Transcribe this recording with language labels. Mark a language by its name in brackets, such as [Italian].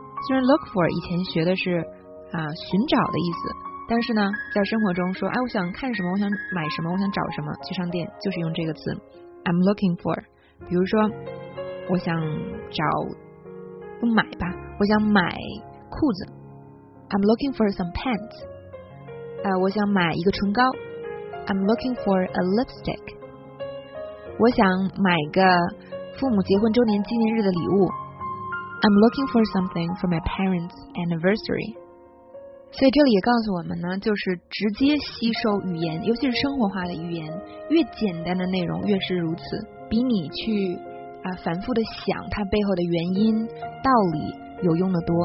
[Chinese] 虽然 look for 以前学的是寻找的意思，但是呢，在生活中说我想看什么，我想买什么，我想找什么，去商店就是用这个词 [English] I'm looking for。 [Chinese] 比如说我想找，不买吧，我想买裤子， [English] I'm looking for some pants。 [Chinese] 我想买一个唇膏， [English] I'm looking for a lipstick。 [Chinese] 我想买个父母结婚周年纪念日的礼物， [English] I'm looking for something for my parents anniversary。 [Chinese] 所以这里也告诉我们呢，就是直接吸收语言，尤其是生活化的语言，越简单的内容越是如此，比你去反复的想它背后的原因道理有用的多。